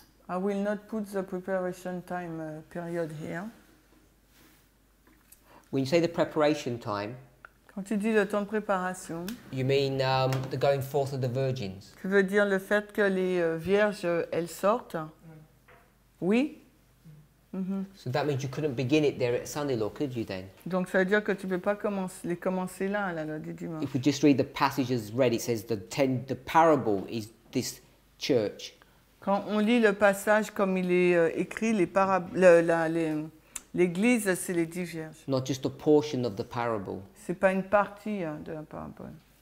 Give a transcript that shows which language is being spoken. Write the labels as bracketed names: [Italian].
[English] I will not put the preparation time period here. When you say the preparation time, [French] quand tu dis le temps de préparation, [English] you mean the going forth of the virgins. [French] Tu veux dire le fait que les vierges elles sortent? Mm. Oui. Mm-hmm. [English] So that means you couldn't begin it there at Sunday law, could you then? [French] Donc ça veut dire que tu peux pas commencer là à la loi du dimanche. [English] If we just read the passage as read, it says the parable is this church. [French] Quand on lit le passage comme il est écrit, l'église, c'est les dix vierges. [English] Not just a portion of the parable. [French] C'est pas une partie de la parabole.